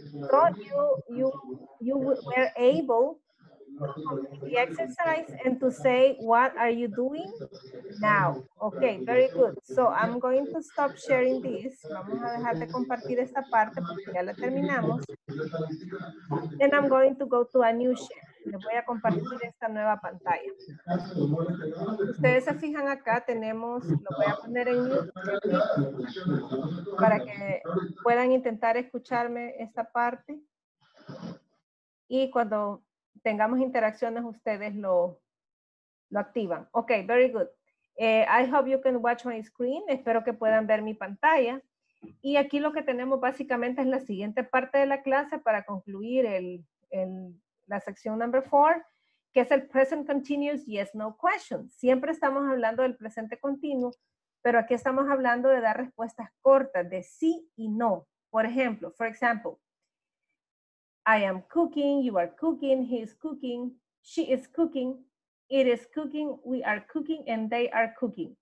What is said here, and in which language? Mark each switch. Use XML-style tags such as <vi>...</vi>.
<en>So you were able to complete the exercise and to say, what are you doing now? Okay, very good. So I'm going to stop sharing this.</en> <es>Vamos a dejar de compartir esta parte porque ya la terminamos.</es> <en>Then I'm going to go to a new share.</en> <es>Le voy a compartir esta nueva pantalla. Ustedes se fijan acá, tenemos, lo voy a poner en YouTube para que puedan intentar escucharme esta parte. Y cuando tengamos interacciones, ustedes lo activan.</es> <en>Ok, very good. I hope you can watch my screen.</en> <es>Espero que puedan ver mi pantalla. Y aquí lo que tenemos básicamente es la siguiente parte de la clase para concluir la sección number four, que es el present continuous yes, no question. Siempre estamos hablando del presente continuo, pero aquí estamos hablando de dar respuestas cortas, de sí y no. Por ejemplo,</es> <en>for example, I am cooking, you are cooking, he is cooking, she is cooking, it is cooking, we are cooking, and they are cooking.</en>